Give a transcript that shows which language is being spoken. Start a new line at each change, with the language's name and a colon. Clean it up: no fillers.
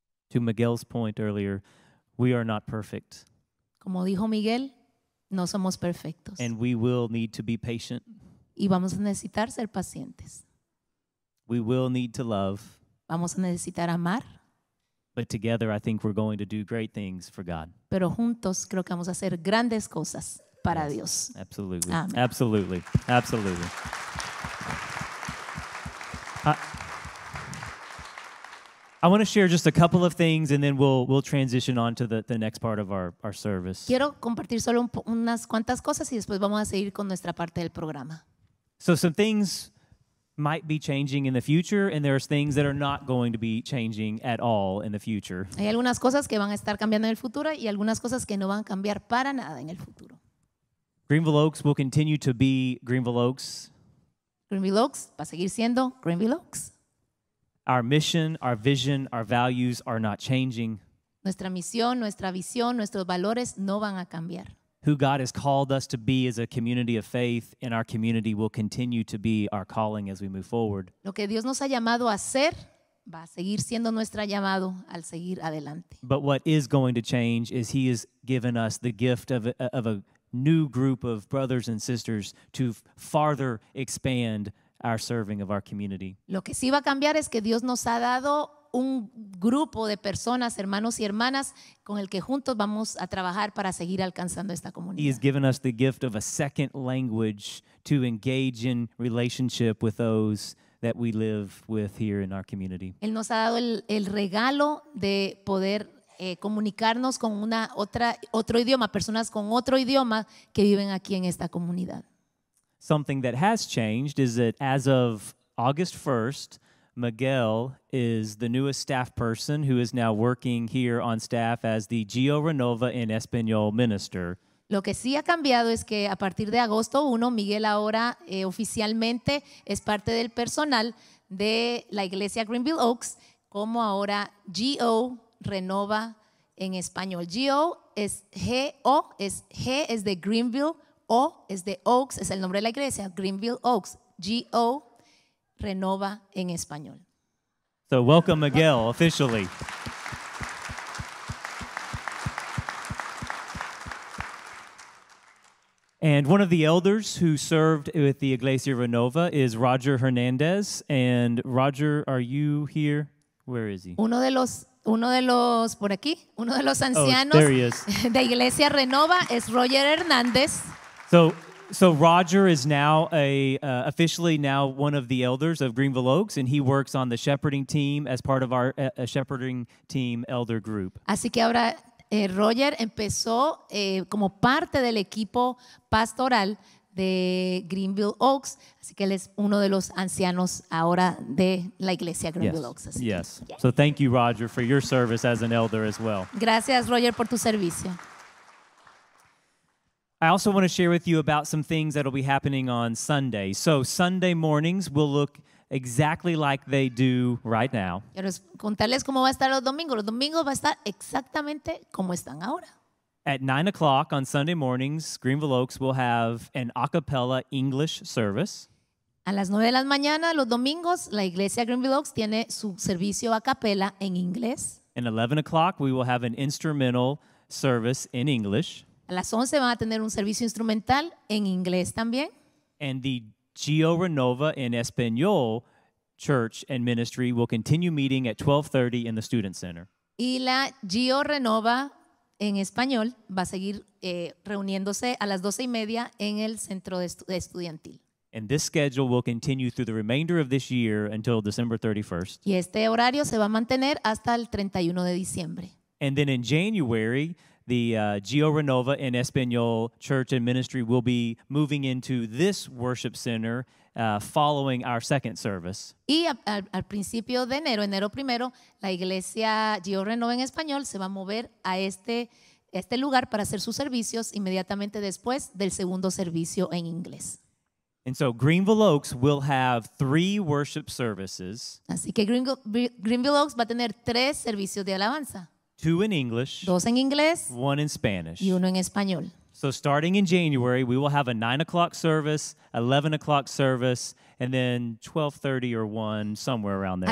English: To Miguel's point earlier, we are not perfect.
Spanish: Como dijo Miguel, no somos perfectos.
English: And we will need to be patient.
Spanish: Y vamos a necesitar ser pacientes.
English: We will need to love.
Spanish: Vamos a necesitar amar.
English: But together I think we're going to do great things for God.
Spanish: Pero juntos creo que vamos a hacer grandes cosas para yes, Dios.
English: Absolutely. Amen. Absolutely. Absolutely. I want to share just a couple of things and then we'll transition on to the next part of our service.
Spanish: Quiero compartir solo unas cuantas cosas y después vamos a seguir con nuestra parte del programa.
English: So some things might be changing in the future, and there's things that are not going to be changing at all in the future.
Spanish: Hay algunas cosas que van a estar cambiando en el futuro y algunas cosas que no van a cambiar para nada en el futuro.
English: Greenville Oaks will continue to be Greenville Oaks.
Spanish: Greenville Oaks va a seguir siendo Greenville Oaks.
English: Our mission, our vision, our values are not changing.
Spanish: Nuestra misión, nuestra visión, nuestros valores no van a cambiar.
English: Who God has called us to be as a community of faith, and our community will continue to be our calling as we move forward.
Spanish: Lo que Dios nos ha llamado a hacer va a seguir siendo nuestro llamado al seguir adelante.
English: But what is going to change is He has given us the gift of a new group of brothers and sisters to farther expand our serving of our community.
Spanish: Lo que sí va a cambiar es que Dios nos ha dado un grupo de personas, hermanos y hermanas, con el que juntos vamos a trabajar para seguir alcanzando esta comunidad.
English: He has given us the gift of a second language to engage in relationship with those that we live with here in our community.
Spanish: Él nos ha dado el regalo de poder comunicarnos con otro idioma, personas con otro idioma que viven aquí en esta comunidad.
English: Something that has changed is that as of August 1st, Miguel is the newest staff person who is now working here on staff as the Geo Renova in Español minister.
Spanish: Lo que sí ha cambiado es que a partir de agosto 1, Miguel ahora oficialmente es parte del personal de la iglesia Greenville Oaks como ahora Geo Renova en español. Geo es G-O, es G es de Greenville, O es de Oaks, es el nombre de la iglesia, Greenville Oaks, Geo Renova en español.
English: So welcome Miguel officially. And one of the elders who served with the Iglesia Renova is Roger Hernandez. And Roger, are you here? Where is he?
Spanish: Uno de los ancianos,
English: oh, there he is.
Spanish: De Iglesia Renova es Roger Hernandez.
English: So Roger is now officially now one of the elders of Greenville Oaks, and he works on the shepherding team as part of our shepherding team elder group.
Spanish: Así que ahora Roger empezó como parte del equipo pastoral de Greenville Oaks, así que él es uno de los ancianos ahora de la iglesia Greenville
English: yes. Oaks. Yes. So thank you, Roger, for your service as an elder as well.
Spanish: Gracias, Roger, por tu servicio.
English: I also want to share with you about some things that will be happening on Sunday. So Sunday mornings will look exactly like they do right now.
Spanish: Quiero contarles cómo va a estar los domingos. Los domingos va a estar exactamente como están ahora.
English: At 9:00 on Sunday mornings, Greenville Oaks will have an a cappella English service.
Spanish: A las 9 de la mañana los domingos, la iglesia Greenville Oaks tiene su servicio a capella en inglés.
English: At 11:00, we will have an instrumental service in English.
Spanish: A las 11 van a tener un servicio instrumental en inglés también.
English: And the Geo Renova in Español Church and Ministry will continue meeting at 12:30 in the Student Center.
Spanish: Y la Geo Renova en Español va a seguir reuniéndose a las 12:30 en el centro estudiantil.
English: And this schedule will continue through the remainder of this year until December 31st.
Spanish: Y este horario se va a mantener hasta el 31 de diciembre.
English: And then in January, the Geo Renova in Español Church and Ministry will be moving into this worship center following our second service.
Spanish: Y al principio de enero primero, la iglesia Geo Renova en Español se va a mover a este lugar para hacer sus servicios inmediatamente después del segundo servicio en inglés.
English: And so Greenville Oaks will have three worship services.
Spanish: Así que Greenville Oaks va a tener tres servicios de alabanza.
English: Two in English,
Spanish: dos en inglés,
English: one in Spanish,
Spanish: y uno en español.
English: So starting in January, we will have a 9:00 service, 11:00 service, and then 12:30 or 1, somewhere around there.